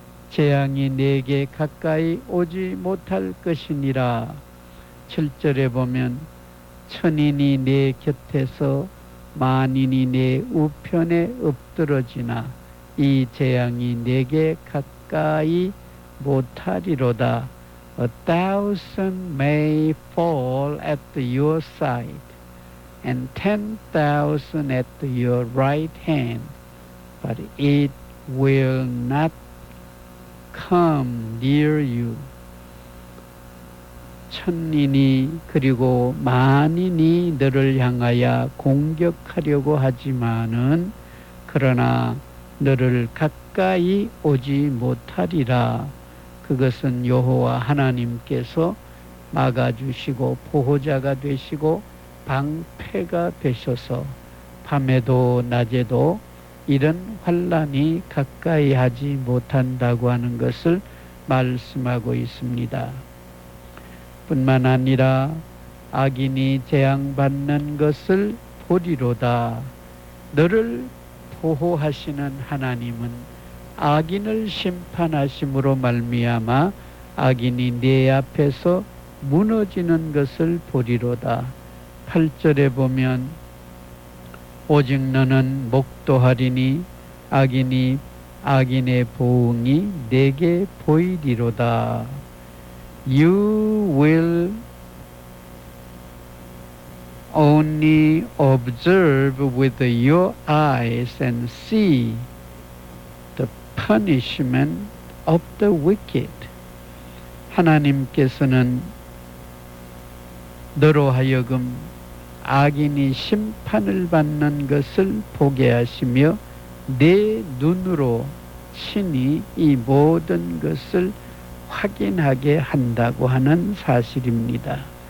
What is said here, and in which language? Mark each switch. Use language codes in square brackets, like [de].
[ko] 재앙이 내게 가까이 오지 못할 것이니라. 7절에 보면 천인이 내 곁에서 만인이 내 우편에 엎드러지나 이 재앙이 내게 가까이 못하리로다. [en] A thousand may fall at your side and 10,000 at your right hand, but it will not come near you. [ko] 천인이 그리고 만인이 너를 향하여 공격하려고 하지만은 그러나 너를 가까이 오지 못하리라. 그것은 여호와 하나님께서 막아주시고 보호자가 되시고 방패가 되셔서 밤에도 낮에도 이런 환란이 가까이 하지 못한다고 하는 것을 말씀하고 있습니다. 뿐만 아니라 악인이 재앙받는 것을 보리로다. 너를 보호하시는 하나님은 악인을 심판하심으로 말미암아 악인이 네 앞에서 무너지는 것을 보리로다. 8절에 보면 오직 너는 목도하리니 악인이 악인의 보응이 네게 보이리로다. [en] You will only observe with your eyes and see the punishment of the wicked. [ko] 하나님께서는 너로 하여금 악인이 심판을 받는 것을 보게 하시며 내 눈으로 친히 이 모든 것을 확인하게 한다고 하는 사실입니다.